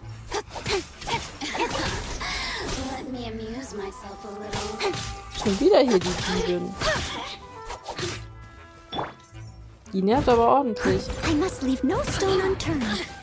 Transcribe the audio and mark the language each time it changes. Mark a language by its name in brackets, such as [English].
[English] Let me amuse myself a little. [German] Schon wieder hier die Diebin. Die nervt aber ordentlich. [English] I must leave no stone unturned.